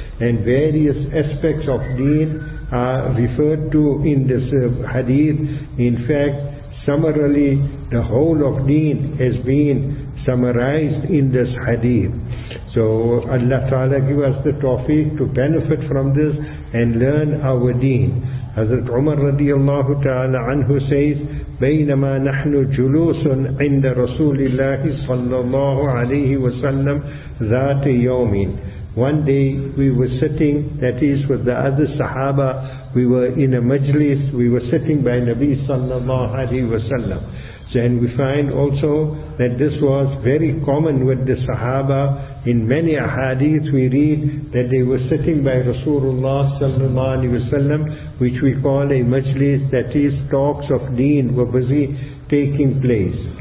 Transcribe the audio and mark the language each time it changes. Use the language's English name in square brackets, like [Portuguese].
[English] And various aspects of deen are referred to in this hadith. In fact, summarily, the whole of deen has been summarized in this hadith. So Allah Ta'ala give us the tawfiq to benefit from this and learn our deen. Hazrat Umar radiyallahu ta'ala anhu says, [Arabic] بَيْنَمَا نَحْنُ جُلُوسٌ عِنْدَ رَسُولِ اللَّهِ صَلَّى اللَّهُ عَلَيْهِ وَسَلَّمْ ذَاتِ يَوْمٍ. [English] One day we were sitting, that is with the other sahaba, we were in a majlis, we were sitting by Nabi sallallahu alayhi wa sallam. And we find also that this was very common with the sahaba. In many ahadith we read that they were sitting by Rasulullah sallallahu alayhi wa sallam, which we call a majlis, that is talks of deen were busy taking place.